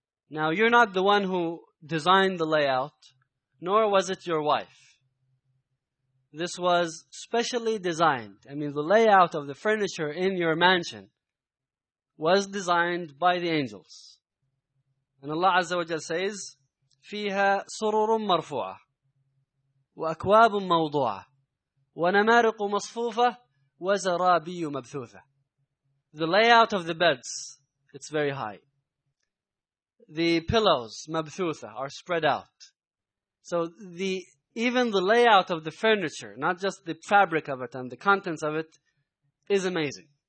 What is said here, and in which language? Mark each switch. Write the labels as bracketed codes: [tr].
[en] Now you're not the one who designed the layout, nor was it your wife. This was specially designed. I mean, the layout of the furniture in your mansion was designed by the angels. And Allah Azza wa Jal says, [ar] فِيهَا سُرُرٌ مَرْفُوعَةٌ وَأَكْوَابٌ مَوْضُوعَةٌ وَنَمَارِقُ مَصْفُوفَةٌ وَزَرَابِيُّ مَبْثُوثَةٌ. [en] The layout of the beds, it's very high. The pillows, مَبْثُوثَةٌ, are spread out. So even the layout of the furniture, not just the fabric of it and the contents of it, is amazing.